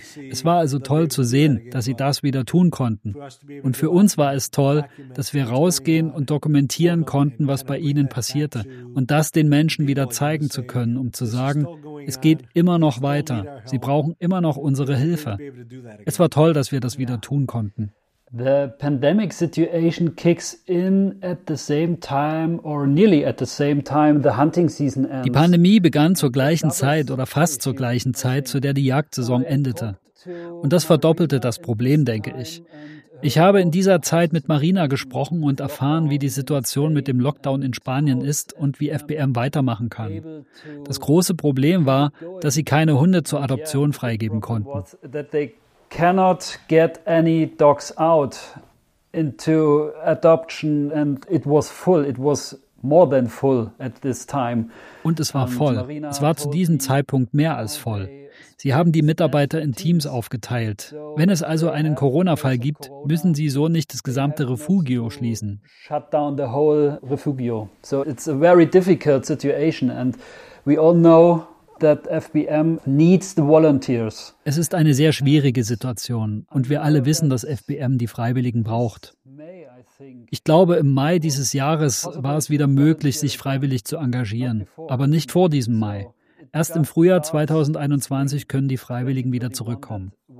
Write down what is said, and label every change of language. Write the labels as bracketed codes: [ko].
[de] Es war also toll zu sehen, dass sie das wieder tun konnten. Und für uns war es toll, dass wir rausgehen und dokumentieren konnten, was bei ihnen passierte und das den Menschen wieder zeigen zu können, um zu sagen, es geht immer noch weiter, sie brauchen immer noch unsere Hilfe. Es war toll, dass wir das wieder tun konnten. [en] The pandemic situation kicks in at the same time or nearly at the same time the hunting season ends. [de] Die Pandemie begann zur gleichen Zeit oder fast zur gleichen Zeit, zu der die Jagdsaison endete. Und das verdoppelte das Problem, denke ich. Ich habe in dieser Zeit mit Marina gesprochen und erfahren, wie die Situation mit dem Lockdown in Spanien ist und wie FBM weitermachen kann. Das große Problem war, dass sie keine Hunde zur Adoption freigeben konnten. [en] Cannot get any dogs out into adoption and it was full, it was more than full at this time. [de] Und es war voll. Es war zu diesem Zeitpunkt mehr als voll. Sie haben die Mitarbeiter in Teams aufgeteilt. Wenn es also einen Corona-Fall gibt, müssen sie so nicht das gesamte Refugio schließen. [en] Shut down the whole refugio. So it's a very difficult situation and we all know that FBM needs the volunteers. [de] Es ist eine sehr schwierige Situation und wir alle wissen, dass FBM die Freiwilligen braucht. Ich glaube, im Mai dieses Jahres war es wieder möglich, sich freiwillig zu engagieren, aber nicht vor diesem Mai. Erst im Frühjahr 2021 können die Freiwilligen wieder zurückkommen.